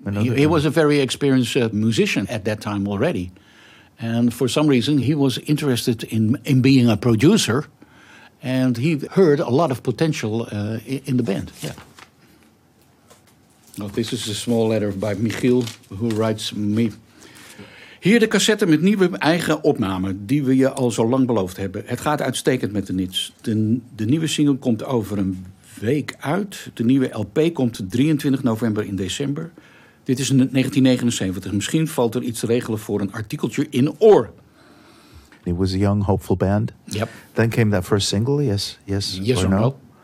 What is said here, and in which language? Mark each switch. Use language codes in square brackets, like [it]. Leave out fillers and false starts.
[en] He was a very experienced musician at that time already. And for some reason, he was interested in being a producer, and he heard a lot of potential in the band. Yeah. Well, this is a small letter by Michiel, who writes me. [nl] Hier de cassette met nieuwe eigen opname, die we je al zo lang beloofd hebben. Het gaat uitstekend met de Nits. De nieuwe single komt over een week uit. De nieuwe LP komt 23 november in december. Dit is 1979. Misschien valt er iets te regelen voor een artikeltje in Oor. [en] It was a young, hopeful band. Yep. Then came that first single, Yes or No.